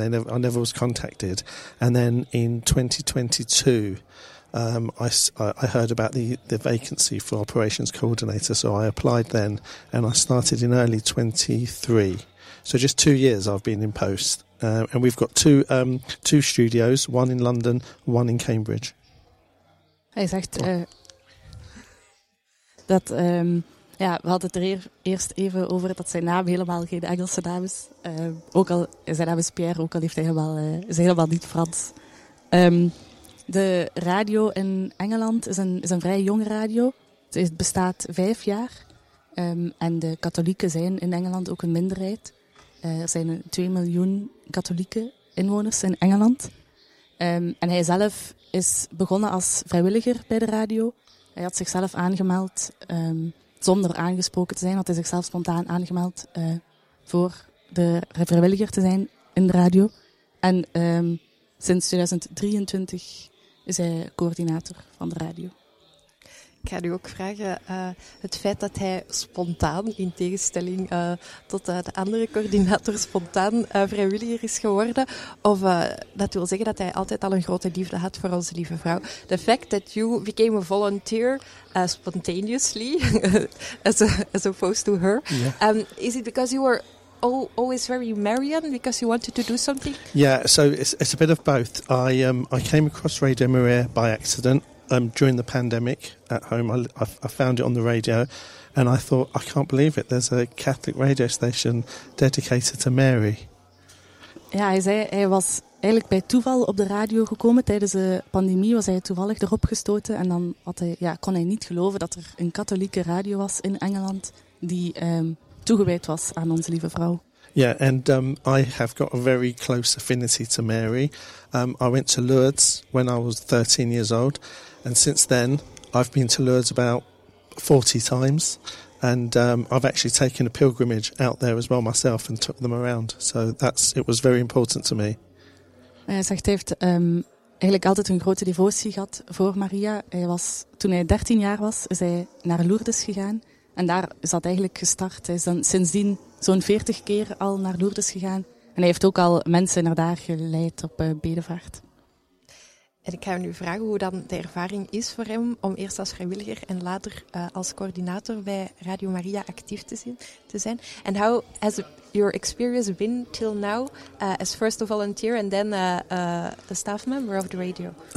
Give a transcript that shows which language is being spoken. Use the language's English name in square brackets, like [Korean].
[English] I never was contacted. And then in 2022, I heard about the vacancy for operations coordinator, so I applied then, and I started in early 23. So just 2 years I've been in post, and we've got two studios, one in London, one in Cambridge. [Dutch] Hij zegt dat we hadden het er eerst even over dat zijn naam helemaal geen Engelse naam is. Ook al zijn naam is Pierre, ook al heeft hij helemaal niet Frans. De radio in Engeland is een vrij jonge radio. Het bestaat 5 jaar. En de katholieken zijn in Engeland ook een minderheid. Er zijn 2 miljoen katholieke inwoners in Engeland. En hij zelf is begonnen als vrijwilliger bij de radio. Hij had zichzelf aangemeld zonder aangesproken te zijn. Had hij zichzelf spontaan aangemeld voor de vrijwilliger te zijn in de radio. En sinds 2023... is hij coördinator van de radio. Ik ga u ook vragen, het feit dat hij spontaan, in tegenstelling tot de andere coördinator, spontaan vrijwilliger is geworden, of dat wil zeggen dat hij altijd al een grote liefde had voor Onze Lieve Vrouw. [English] The fact that you became a volunteer spontaneously, as opposed to her, is it because you were... always very Marian because you wanted to do something? Yeah, so it's a bit of both. I came across Radio Maria by accident during the pandemic at home. I found it on the radio and I thought, I can't believe it. There's a Catholic radio station dedicated to Mary. [Dutch] Ja, hij was eigenlijk bij toeval op de radio gekomen. Tijdens de pandemie was hij toevallig erop gestoten. En dan kon hij niet geloven dat er een katholieke radio was in Engeland die... toegewijd was aan Onze Lieve Vrouw. [English] Yeah, and I have got a very close affinity to Mary. I went to Lourdes when I was 13 years old, and since then I've been to Lourdes about 40 times, and I've actually taken a pilgrimage out there as well myself and took them around. So it was very important to me. [Dutch] Hij zegt, hij heeft eigenlijk altijd een grote devotie gehad voor Maria. Toen hij 13 jaar was, is hij naar Lourdes gegaan. En daar is dat eigenlijk gestart. Hij is dan sindsdien zo'n 40 keer al naar Lourdes gegaan. En hij heeft ook al mensen naar daar geleid op bedevaart. En ik ga u nu vragen hoe dan de ervaring is voor hem om eerst als vrijwilliger en later als coördinator bij Radio Maria actief te zijn. [English] And how has your experience been till now as first a volunteer and then a staff member of the radio?